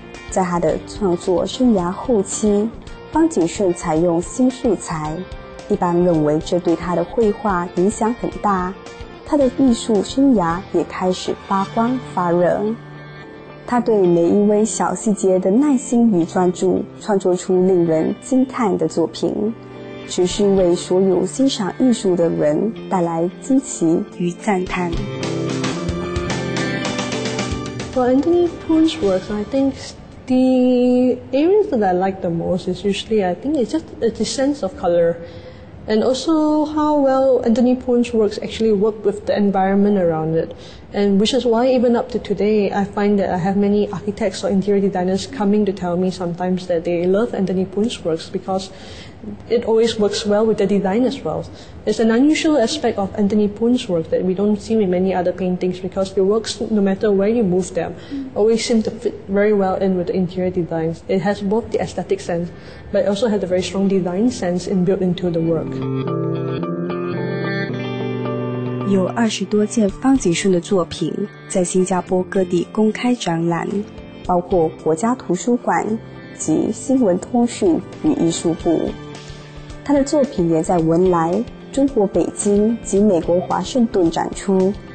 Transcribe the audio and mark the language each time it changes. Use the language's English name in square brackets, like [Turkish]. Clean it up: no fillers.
[Chinese] 在他的创作生涯后期，方景顺采用新素材，一般认为这对他的绘画影响很大，他的艺术生涯也开始发光发热。他对每一位小细节的耐心与专注，创作出令人惊叹的作品，只是为所有欣赏艺术的人带来惊奇与赞叹。 [English] For Anthony Poon's works, I think the areas that I like the most is usually, I think it's just the sense of color. And also how well Anthony Poon's works actually work with the environment around it. And which is why even up to today, I find that I have many architects or interior designers coming to tell me sometimes that they love Anthony Poon's works because it always works well with the design as well. It's an unusual aspect of Anthony Poon's work that we don't see with many other paintings because the works, no matter where you move them, always seem to fit very well in with the interior designs. It has both the aesthetic sense, but it also has a very strong design sense inbuilt into the work. [Chinese] 有20多件方景顺的作品在新加坡各地公开展览，包括国家图书馆及新闻通讯与艺术部。他的作品也在文莱、中国北京及美国华盛顿展出。